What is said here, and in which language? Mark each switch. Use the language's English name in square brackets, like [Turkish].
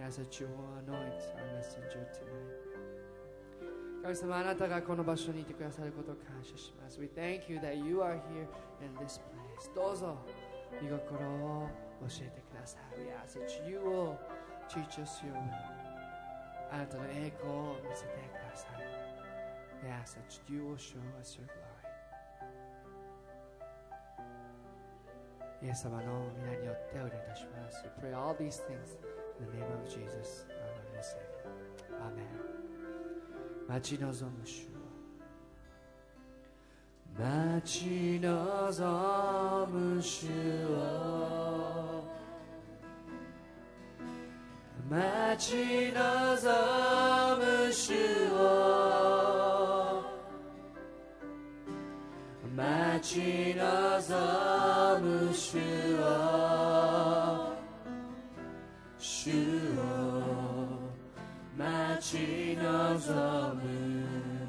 [English] As a joy anoint our messenger tonight. [Japanese] 神様、あなたがこの場所にいてくださることを感謝します。 [English] We thank you that you are here in this place. [Japanese] どうぞ御心を教えてください。 [English] We ask that you will teach us your will. [Japanese] あなたの栄光を見せてください。 [English] We ask that you will show us your glory. [Japanese] イエス様の御名によってお祈りいたします。 [English] We pray all these things in the name of Jesus, our Lord and Savior. [Japanese] Amen. 待ち望む主を、待ち望む主を、待ち望む主を、待ち望む主を、主を待ち望む。